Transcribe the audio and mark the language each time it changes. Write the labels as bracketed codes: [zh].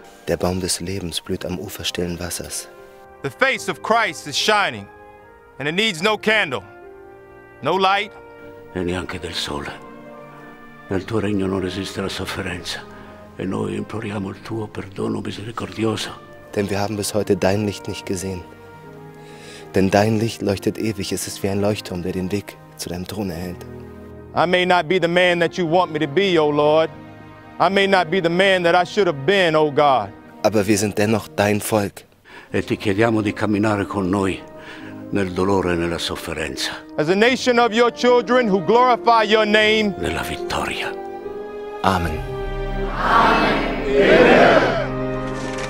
[de] Der Baum des Lebens blüht am Ufer stillen Wassers. [en] The face of Christ is shining, and it needs no candle, no light. [it] E neanche del sole. Nel tuo regno non esiste la sofferenza, e noi imploriamo il tuo perdono misericordioso. [de] Denn wir haben bis heute dein Licht nicht gesehen. Denn dein Licht leuchtet ewig, es ist wie ein Leuchtturm, der den Weg zu deinem Thron erhält. [en] I may not be the man that you want me to be, O Lord. I may not be the man that I should have been, O God. [de] Aber wir sind dennoch dein Volk. [it] E ti chiediamo di camminare con noi nel dolore e nella sofferenza. [en] As a nation of your children who glorify your name. [it] Nella vittoria. Amen. Amen. Amen.